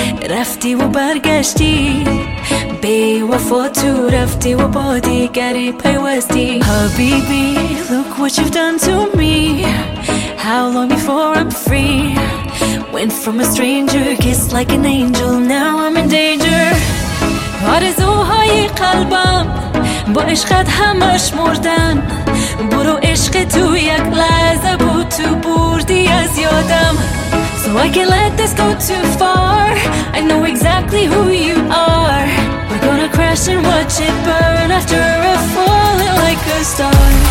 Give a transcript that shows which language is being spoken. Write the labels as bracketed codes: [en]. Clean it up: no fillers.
[fa] رفتی و برگشتی، بی وفا تو رفتی و با دیگری پیوستی. [en] حبیبی look what you've done to me، how long before I'm free، went from a stranger kissed like an angel now I'm in danger. [fa] آرزوهای قلبم با عشقت همش مردن، برو عشق تو یک لحظه بود تو بردی از یادم. [en] So I can't let this go too far. I know exactly who you are. We're gonna crash and watch it burn after a fall like a star.